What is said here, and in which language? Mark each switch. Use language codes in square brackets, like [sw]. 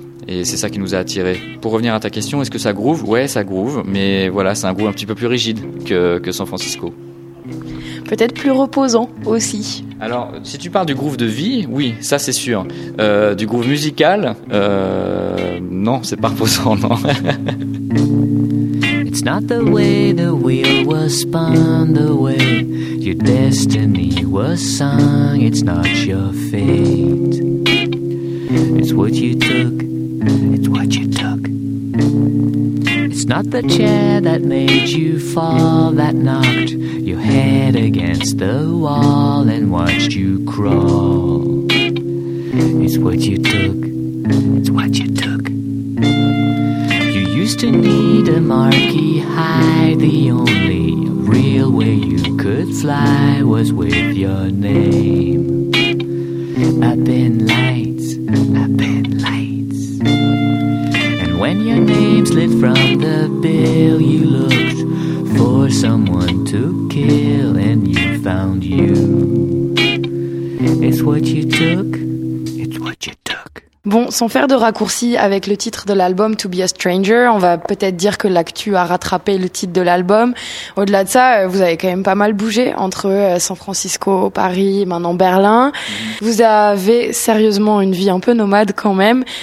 [fr] Et c'est ça qui nous a attirés. Pour revenir à ta question, est-ce que ça groove ? Ouais, ça groove, mais voilà, c'est un groove un petit peu plus rigide que San Francisco. Peut-être plus reposant aussi. Alors, si tu parles du groove de vie, oui, ça c'est sûr. Du groove musical, non, c'est pas reposant, non. [en] It's not the way the wheel was spun, the way your destiny was sung. It's not your fate. It's what you took. It's what you took. It's not the chair that made you fall, that knocked your head against the wall and watched you crawl. It's what you took. It's what you took. You used to need a marquee high. The only real way you could fly was with your name up in lights. Up in lights. And when your name slid from the bill, you looked for someone to kill, and you found you. It's what you took. It's what you took. [fr] Bon, sans faire de raccourci avec le titre de l'album To Be a Stranger, on va peut-être dire que l'actu a rattrapé le titre de l'album. Au-delà de ça, vous avez quand même pas mal bougé entre San Francisco, Paris, maintenant Berlin. Vous avez sérieusement une vie un peu nomade quand même.